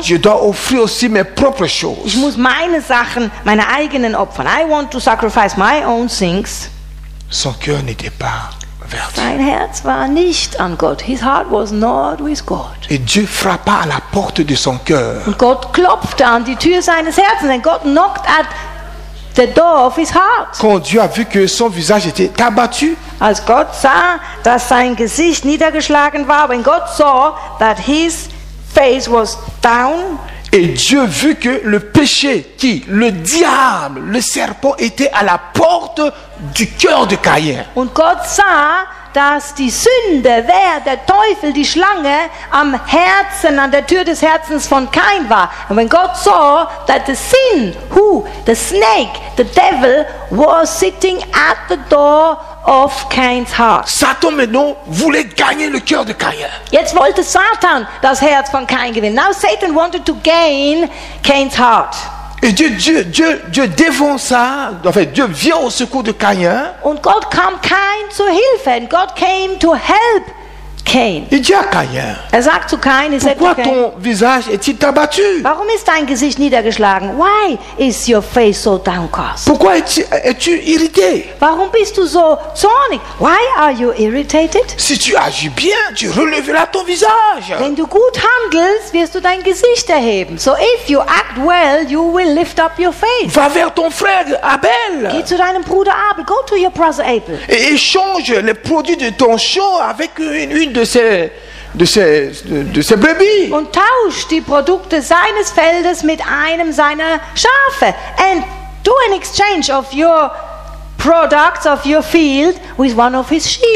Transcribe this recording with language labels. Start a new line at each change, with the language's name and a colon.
French: Je dois offrir aussi mes propres choses.
German: Ich muss meine Sachen, meine eigenen opfern.
English: I want to sacrifice my own things.
French: Son cœur n'était pas.
German: Sein Herz war nicht an Gott.
English: His heart was not with God.
French: Et Dieu frappa à la porte de son cœur.
German: Und Gott klopfte an die Tür seines Herzens.
English: And God knocked at the door of his heart.
French: Quand Dieu a vu que son visage était abattu,
German: als Gott sah, dass sein Gesicht niedergeschlagen war,
English: when God saw that his face was down,
French: et Dieu vu que le péché, qui le diable, le serpent, était à la porte du cœur de Caïn.
German: Und Gott sah, dass die Sünde, der Teufel, die Schlange, am Herzen, an der Tür des Herzens von Caïn war.
English: And when God saw that the sin, who, the snake, the devil, was sitting at the door of Cain's heart.
French: Satan maintenant voulait gagner le cœur de Caïn.
German: Jetzt wollte Satan das Herz von Caïn gewinnen.
English: Now Satan wanted to gain Cain's heart.
French: Et Dieu défend ça. En fait, Dieu vient au secours de Caïn.
German: Und Gott kam Cain zu Hilfe.
English: And God came to help Cain.
French: Il dit à Caïn.
German: Er sagt zu Cain,
French: pourquoi
English: said to Cain,
French: ton visage est-il abattu?
German: Warum ist dein Gesicht niedergeschlagen?
English: Why is your face so downcast?
French: Pourquoi es-tu irrité?
German: Warum bist du so zornig?
English: Why are you irritated?
French: Si tu agis bien, tu releveras ton visage.
German: Wenn du gut handelst, wirst du dein Gesicht erheben.
English: So if you act well, you will lift up your face.
French: Va vers ton frère Abel.
German: Geh zu deinem Bruder Abel.
English: Go to your brother Abel.
French: Et échange les produits de ton champ avec une de ses brebis.
German: Und tausche die Produkte seines Feldes mit einem seiner Schafe.
English: And do an exchange of your products of your field with one of his sheep.